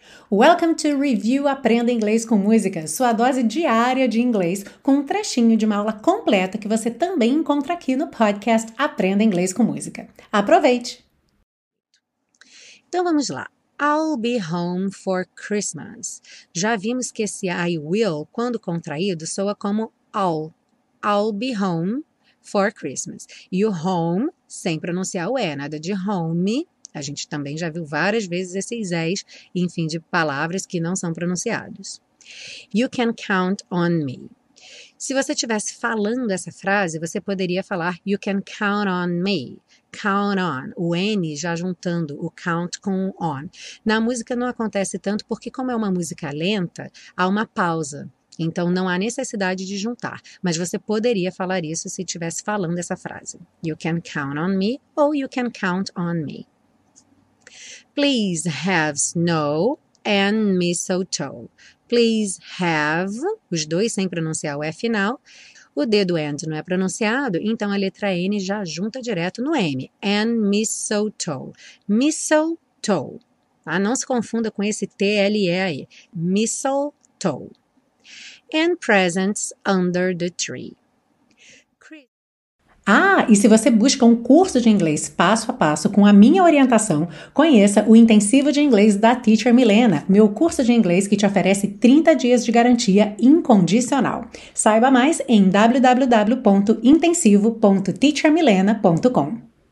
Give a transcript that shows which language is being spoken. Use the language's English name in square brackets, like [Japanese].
[Portuguese] Welcome to Review Aprenda Inglês com Música, sua dose diária de inglês, com um trechinho de uma aula completa que você também encontra aqui no podcast Aprenda Inglês com Música. Aproveite! Então vamos lá. [English] I'll be home for Christmas. [Portuguese] Já vimos que esse I will, quando contraído, soa como I'll. [English] I'll be home for Christmas. [Portuguese] E o home, sem pronunciar o E, nada de home. A gente também já viu várias vezes esses S, enfim, de palavras que não são pronunciados. [English] You can count on me. [Portuguese] Se você estivesse falando essa frase, você poderia falar [English] you can count on me. [Portuguese] Count on, o N já juntando o count com o on. Na música não acontece tanto porque como é uma música lenta, há uma pausa. Então não há necessidade de juntar, mas você poderia falar isso se estivesse falando essa frase. [English] You can count on me [Portuguese] ou [English] you can count on me. Please have snow and mistletoe. [Portuguese] Please have, os dois sem pronunciar o E final. O dedo and não é pronunciado, então a letra N já junta direto no M. [English] And mistletoe. Mistletoe. Tá? [Portuguese] Não se confunda com esse T-L-E aí. [English] Mistletoe. And presents under the tree. [Portuguese] Ah, e se você busca um curso de inglês passo a passo com a minha orientação, conheça o Intensivo de Inglês da Teacher Milena, meu curso de inglês que te oferece 30 dias de garantia incondicional. Saiba mais em www.intensivo.teachermilena.com.